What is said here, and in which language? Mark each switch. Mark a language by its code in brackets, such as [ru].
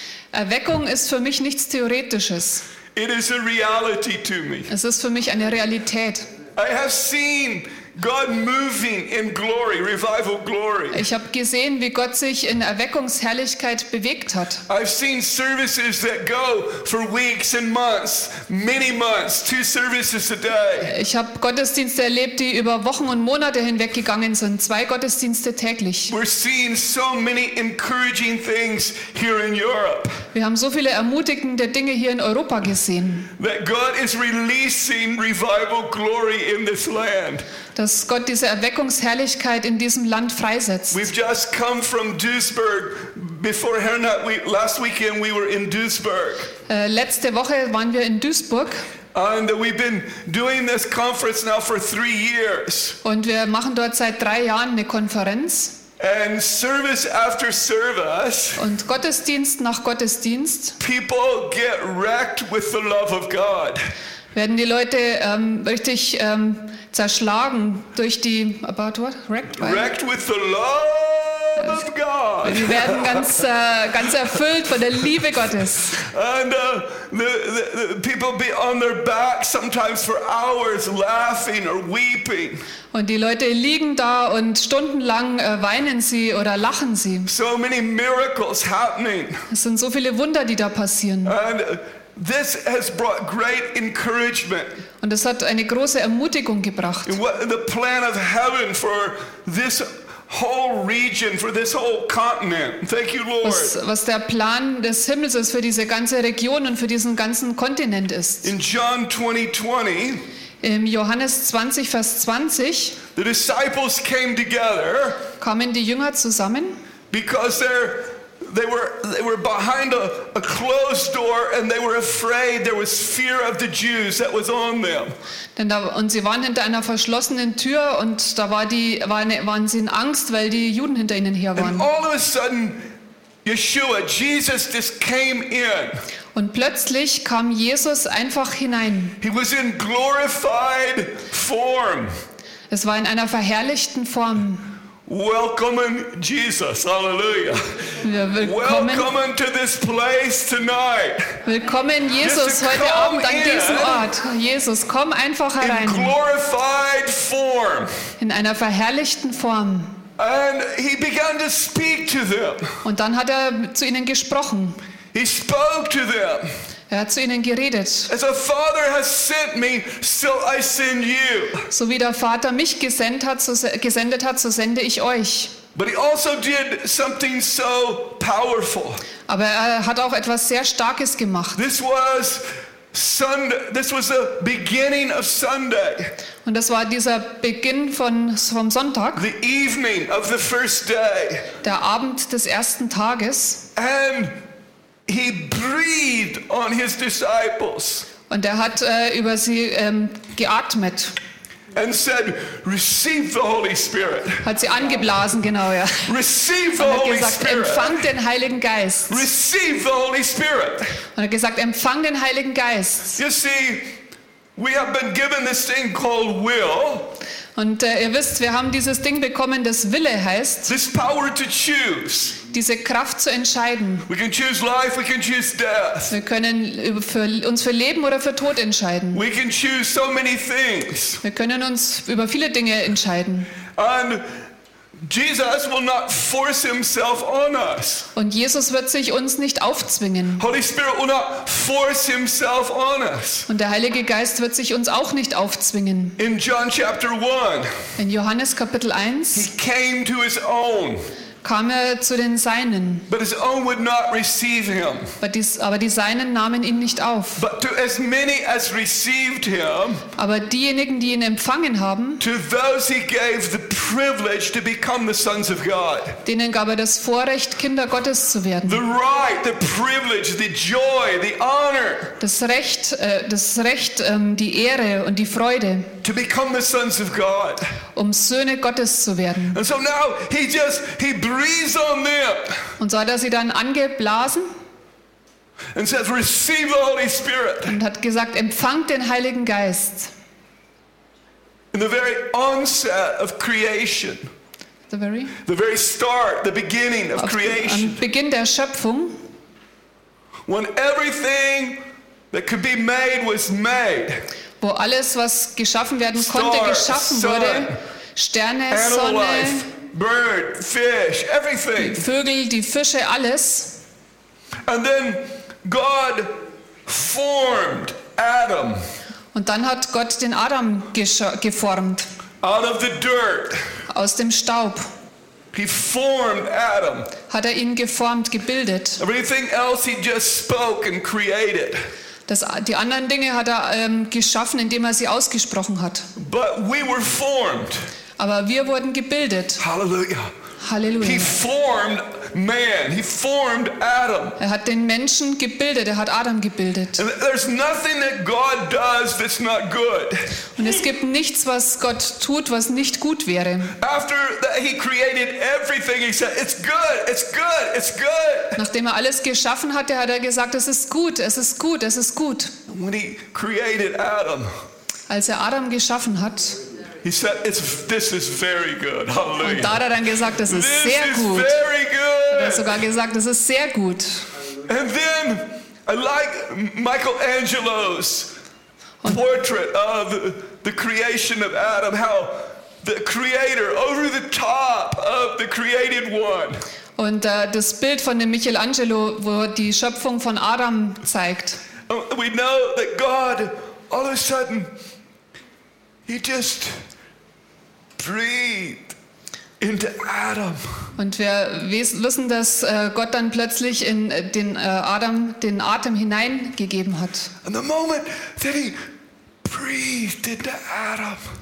[de] Erweckung ist für mich nichts Theoretisches. [en] It is a reality to me. [de] Es ist für mich eine Realität. [en] I have seen God moving in glory, revival glory. [de] Ich habe gesehen, wie Gott sich in Erweckungsherrlichkeit bewegt hat. [en] I've seen services that go for weeks and months, many months, two services a day. [de] Ich habe Gottesdienste erlebt, die über Wochen und Monate hinweg gegangen sind, zwei Gottesdienste täglich. [en] We're seeing so many encouraging things here in Europe. [de] Wir haben so viele ermutigende Dinge hier in Europa gesehen. [en] That God is releasing revival glory in this land. [de] Dass Gott diese Erweckungsherrlichkeit in diesem Land freisetzt. [en] We've just come from Duisburg. Before Hernot, last weekend we were in Duisburg. [de] Letzte Woche waren wir in Duisburg. [en] And we've been doing this conference now for 3 years. [de] Und wir machen dort seit 3 Jahren eine Konferenz. [en] And service after service. [de] Und Gottesdienst nach Gottesdienst. [en] People get wrecked with the love of God. [de] Werden die Leute richtig zerschlagen durch die [en] about what? Wrecked with the love of God. [de] Sie werden ganz ganz erfüllt von der Liebe Gottes. [en] And the people be on their back sometimes for hours laughing or weeping. [de] Und die Leute liegen da und stundenlang weinen sie oder lachen sie. [en] So many miracles happening. [de] Es sind so viele Wunder, die da passieren. [en] And this has brought great encouragement. [de] Und es hat eine große Ermutigung gebracht. [en] The plan of heaven for this whole region, for this whole continent. Thank you, Lord. [de] Was der Plan des Himmels ist für diese ganze Region und für diesen ganzen Kontinent ist. [en] In John 20:20. [de] Im Johannes 20, Vers 20. [en] The disciples came together. [de] Kamen die Jünger zusammen. [en] Because they were behind a closed door and they were afraid. There was fear of the Jews that was on them. [de] Denn da, und sie waren hinter einer verschlossenen Tür und da war die, waren sie in Angst, weil die Juden hinter ihnen her waren. [en] And all of a sudden, Yeshua, Jesus, just came in. [de] Und plötzlich kam Jesus einfach hinein. [en] He was in glorified form. [de] Es war in einer verherrlichten Form. [en] Welcoming Jesus, hallelujah. Welcome to this place tonight. [de] Willkommen Jesus heute Abend an diesem Ort. Jesus, komm einfach herein. [en] In glorified form. [de] In einer verherrlichten Form. [en] And he began to speak to them. [de] Und dann hat zu ihnen gesprochen. [en] He spoke to them. [de] Hat zu ihnen geredet. [en] As a father has sent me, so I send you. [de] So wie der Vater mich gesendet hat, so sende ich euch. [en] But he also did something so powerful. [de] Aber hat auch etwas sehr Starkes gemacht. [en] This was the beginning of Sunday. [de] Und das war dieser Beginn vom Sonntag. [en] The evening of the first day. [de] Der Abend des ersten Tages. [en] And he breathed on his disciples. [de] Und hat über sie geatmet. [en] And said, "Receive the Holy Spirit." [de] Hat sie angeblasen, genau ja. [en] Receive the Holy Spirit. [de] Empfang den Heiligen Geist. [en] Receive the Holy Spirit. [de] Und gesagt, empfang den Heiligen Geist. [en] You see, we have been given this thing called will. [de] Und ihr wisst, wir haben dieses Ding bekommen, das Wille heißt. [en] This power to choose. [de] Diese Kraft zu entscheiden. [en] We can choose life, we can choose death. [de] Wir können uns für Leben oder für Tod entscheiden. [en] We can choose so many things. [de] Wir können uns über viele Dinge entscheiden. [en] And Jesus will not force himself on us. [de] Und Jesus wird sich uns nicht aufzwingen. [en] Holy Spirit will not force himself on us. [de] Und der Heilige Geist wird sich uns auch nicht aufzwingen. [en] In John chapter 1. [de] In Johannes Kapitel 1. [en] He came to his own. [de] Kam zu den Seinen. [en] But his own would not receive him. [de] Aber die Seinen nahmen ihn nicht auf. [en] But to as many as received him, [de] aber diejenigen, die ihn empfangen haben, [en] to those he gave the privilege to become the sons of God. [de] Denen gab das Vorrecht, Kinder Gottes zu werden. [en] The right, the privilege, the joy, the honor. [de] Das Recht, die Ehre und die Freude. [en] To become the sons of God. [de] Söhne Gottes zu werden. [en] And so now he breathes on them. [de] Und so hat sie dann angeblasen. [en] And says, "Receive the Holy Spirit." [de] Und hat gesagt, empfangt den Heiligen Geist. [en] In the very onset of creation. The very start, the beginning of creation. [de] Am Beginn der Schöpfung. [en] When everything that could be made was made. [de] Wo alles, was geschaffen werden konnte, geschaffen wurde. Sterne, Sonne, [en] Bird, Fish, everything. [de] Die Vögel, die Fische, alles. [en] And then God formed Adam. [de] Und dann hat Gott den Adam geformt. [en] Out of the dirt. [de] Aus dem Staub. [en] He formed Adam. [de] Hat ihn geformt, gebildet. [en] Everything else he just spoke and created. [de] Die anderen Dinge hat geschaffen, indem sie ausgesprochen hat. [en] But we were formed. [de] Aber wir wurden gebildet. Halleluja. Halleluja. [en] He formed man. He formed Adam. [de] Hat den Menschen gebildet. Hat Adam gebildet. [en] And there's nothing that God does that's not good. [de] Und es gibt nichts, was Gott tut, was nicht gut wäre. [en] After that he created everything, he said, "It's good. It's good. It's good." [de] Nachdem alles geschaffen hatte, hat gesagt, es ist gut. Es ist gut. Es ist gut. [en] When he created Adam. [de] Als Adam geschaffen hat. [en] He said, "This is very good." Hallelujah. [de] Und da hat dann gesagt, das ist [en] this [de] sehr [en] is [de] gut. [en] Very good. [de] Er hat sogar gesagt, das ist sehr gut. [en] And then, I like Michelangelo's portrait of the creation of Adam, how the creator over the top of the created one. [de] Und das Bild von dem Michelangelo, wo die Schöpfung von Adam zeigt. [en] We know that God, all of a sudden, he just breathed into Adam. [de] Und wir wissen, dass Gott dann plötzlich in den Adam den Atem hineingegeben hat. [en] And the moment that he breathed into Adam.